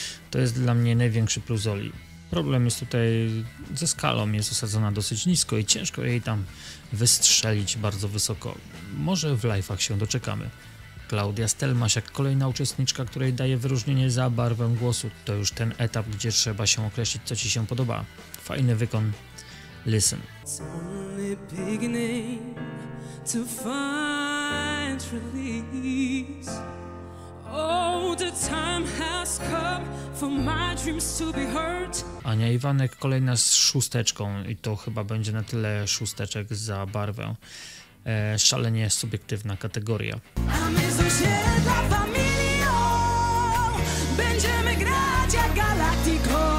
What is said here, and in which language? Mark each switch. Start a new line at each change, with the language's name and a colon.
Polish: To jest dla mnie największy plus Oli. Problem jest tutaj ze skalą, jest osadzona dosyć nisko i ciężko jej tam wystrzelić bardzo wysoko. Może w live'ach się doczekamy. Klaudia Stelmasiak, kolejna uczestniczka, której daje wyróżnienie za barwę głosu. To już ten etap, gdzie trzeba się określić, co ci się podoba. Fajny wykon.
English: Listen. It's only beginning to find release. Oh, the time has come for my dreams to be heard.
Polish: Ania Iwanek, kolejna z szósteczką i to chyba będzie na tyle szósteczek za barwę. Szalenie subiektywna kategoria. A my z osiedla familią będziemy grać jak Galacticos.